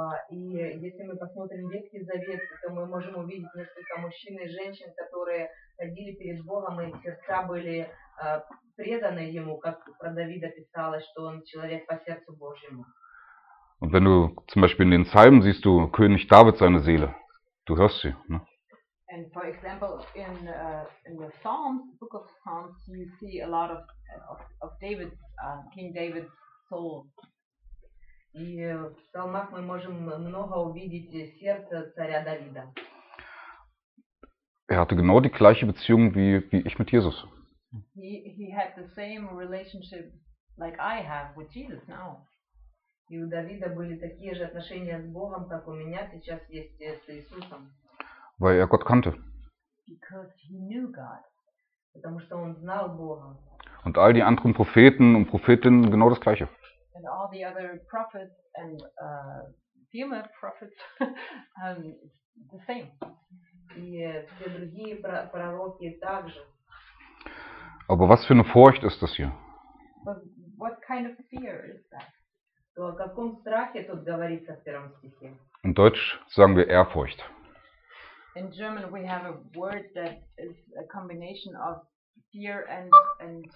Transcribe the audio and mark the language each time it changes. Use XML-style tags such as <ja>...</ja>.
<ru>И если мы посмотрим Ветхий Завет, то мы можем увидеть несколько мужчин и женщин, которые ходили перед Богом, и сердца были преданы ему, как про Давида писалось, что он человек по сердцу Божьему.</ru> <de>Und wenn du zum Beispiel in den Psalmen siehst, du König David seine Seele, du hörst sie, ne?</de> <en>And for example, in the Psalms, the book of Psalms, you see a lot of David's, King David's soul.</en> <ru>И в Псалмах мы можем много увидеть сердце царя Давида.</ru> <de>Er hatte genau die gleiche Beziehung wie ich mit Jesus.</de> <en>He had the same relationship like I have with Jesus now.</en> <ru>И у Давида были такие же отношения с Богом, как у меня сейчас есть с Иисусом.</ru> <de>Weil er Gott kannte.</de> <en>Because he knew God.</en> <ru>Потому что он знал Бога.</ru> <de>Und all die anderen Propheten und Prophetinnen genau das gleiche.</de> <en>And all the other prophets and female prophets the same.</en> <ru>И все другие пророки также.</ru> <de>Aber was für eine Furcht ist das hier?</de> <en>But what kind of fear is that?</en> <ru>То о каком страхе тут говорится в первом стихе?</ru> <de>In Deutsch sagen wir Ehrfurcht.</de> <en>In German we have a word that is a combination of fear and</en>